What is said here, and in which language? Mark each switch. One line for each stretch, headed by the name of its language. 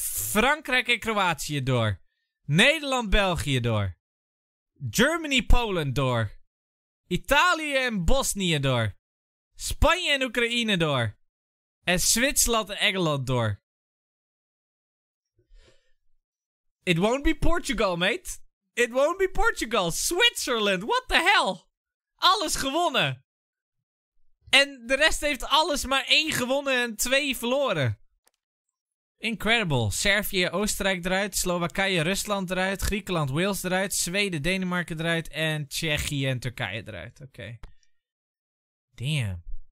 Dutch: Frankrijk en Kroatië door. Nederland, België door. Germany, Polen door. Italië en Bosnië door. Spanje en Oekraïne door. En Zwitserland en Engeland door.
English: It won't be Portugal, mate. It won't be Portugal. Switzerland, what the hell?
Dutch: Alles gewonnen. En de rest heeft alles maar 1 gewonnen en 2 verloren. Incredible. Servië, Oostenrijk eruit. Slowakije, Rusland eruit. Griekenland, Wales eruit. Zweden, Denemarken eruit. En Tsjechië en Turkije eruit.
English: Oké. Okay. Damn.